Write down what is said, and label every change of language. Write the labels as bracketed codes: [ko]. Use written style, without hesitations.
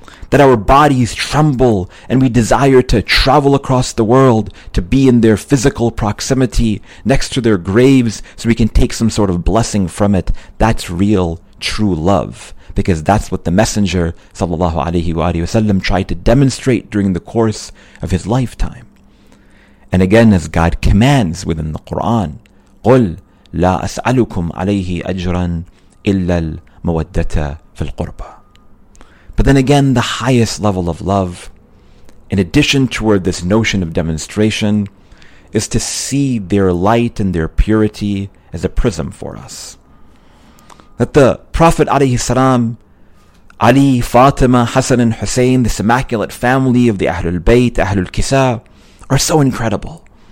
[en] That our bodies tremble and we desire to travel across the world to be in their physical proximity next to their graves so we can take some sort of blessing from it. That's real, true love. Because that's what the Messenger sallallahu alaihi wa alihi wasallam tried to demonstrate during the course of his lifetime. And again, as God commands within the Quran, [ar] قل لا أسألكم عليه أجرا إلا المودة في القربة. [en] But then again, the highest level of love, in addition toward this notion of demonstration, is to see their light and their purity as a prism for us. That the Prophet alayhi salam, Ali, Fatima, Hassan and Hussein, this immaculate family of the Ahlul Bayt, Ahlul Kisa, are so incredible.